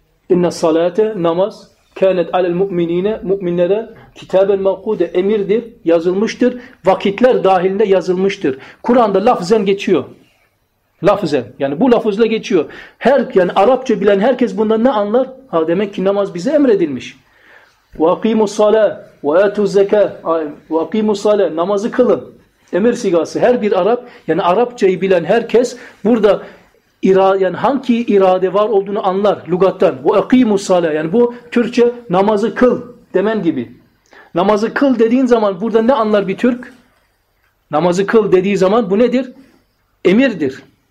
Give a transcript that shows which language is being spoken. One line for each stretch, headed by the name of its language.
Arabic: İnne salate,
Turkish: namaz,
Arabic: kânet alel mu'minine,
Turkish: mu'minlere
Arabic: kitâben mevkûte,
Turkish: emirdir, yazılmıştır. Vakitler dahilinde yazılmıştır. Kur'an'da lafızen geçiyor. Lafızen, yani bu lafızla geçiyor. Her, yani Arapça bilen herkes bundan ne anlar? Ha, demek ki namaz bize emredilmiş.
Arabic: وَاقِيمُ الصَّلَى وَاَتُوا الزَّكَى وَاقِيمُ الصَّلَى,
Turkish: namazı kılın. Emir sigası. Her bir Arap, yani Arapçayı bilen herkes burada yani hangi irade var olduğunu anlar lügattan.
Arabic: وَاقِيمُ الصَّلَى,
Turkish: yani bu Türkçe namazı kıl demen gibi. Namazı kıl dediğin zaman burada ne anlar bir Türk? Namazı kıl dediği zaman bu nedir? Emirdir.